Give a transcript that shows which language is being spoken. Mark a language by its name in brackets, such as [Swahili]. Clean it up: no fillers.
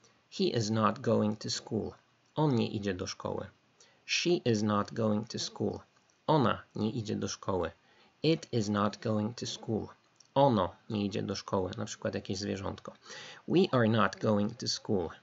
[English] He is not going to school. [Polish] On nie idzie do szkoły. [English] She is not going to school. [Polish] Ona nie idzie do szkoły. [English] It is not going to school. [Polish] Ono nie idzie do szkoły, na przykład jakieś zwierzątko. [English] We are not going to school.